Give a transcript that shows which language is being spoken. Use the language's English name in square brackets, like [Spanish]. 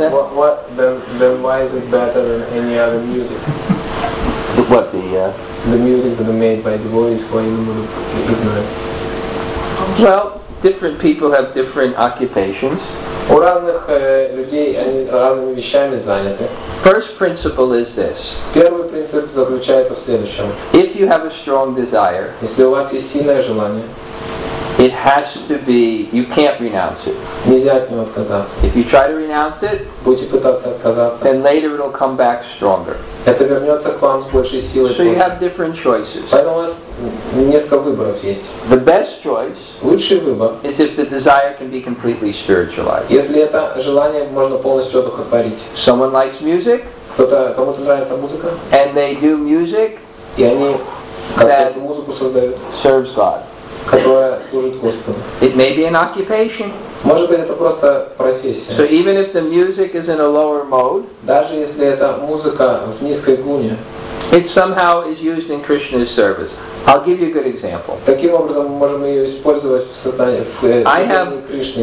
[English] Then why is it better than any other music? What the The music that are made by devotees who are in the mood of ignorance. Well, different people have different occupations. [Russian] У разных людей они разными вещами заняты. [English] First principle is this. [Russian] Первый принцип заключается в следующем. [English] If you have a strong desire, [Russian] если у вас есть сильное желание, [English] it has to be, you can't renounce it. [Russian] Нельзя от него отказаться. [English] If you try to renounce it, [Russian] будете пытаться отказаться, [English] then later it'll come back stronger. [Russian] Это вернется к вам с большей силой. [English] So you have different choices. [Russian] Поэтому у вас несколько выборов есть. [English] The best choice, [Russian] лучший выбор, [English] is if the desire can be completely spiritualized. [Russian] Если это желание можно полностью одухотворить. [English] Someone likes music, [Russian] кому-то нравится музыка, [English] and they do music, [Russian] и они какую-то музыку создают, [English] serves God. [Russian] Которая служит Господу. [English] It may be an occupation. [Russian] Может быть, это просто профессия. [English] So even if the music is in a lower mode, [Russian] даже если эта музыка в низкой гуне, [English] it somehow is used in Krishna's service. I'll give you a good example. [Russian] Таким образом, мы можем ее использовать в создании Кришны.